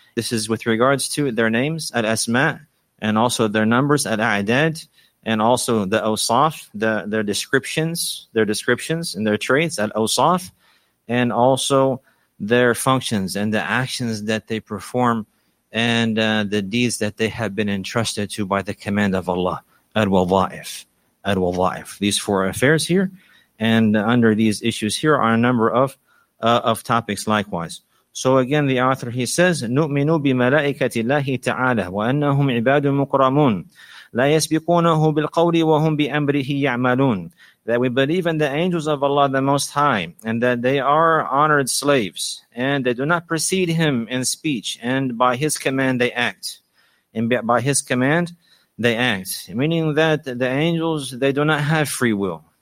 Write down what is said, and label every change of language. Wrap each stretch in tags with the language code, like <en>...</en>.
<en>This is with regards to their names, al-asma, and also their numbers, al-a'dad, and also the awsaf, their descriptions, and their traits, al-awsaf, and also their functions and the actions that they perform and the deeds that they have been entrusted to by the command of Allah. Al-Wadha'if. Al-Wadha'if. These four affairs here. And under these issues here are a number of topics likewise.</en> <ar>So again, the author, he says, نُؤْمِنُ بِمَلَائِكَةِ اللَّهِ تَعَالَى وَأَنَّهُمْ عِبَادٌ مُقْرَمُونَ لَا يَسْبِقُونَهُ بِالْقَوْلِ وَهُمْ بِأَمْرِهِ يَعْمَلُونَ.</ar> <en>That we believe in the angels of Allah the Most High, and that they are honored slaves, and they do not precede Him in speech, and by His command they act. And by His command they act. Meaning that the angels, they do not have free will.</en>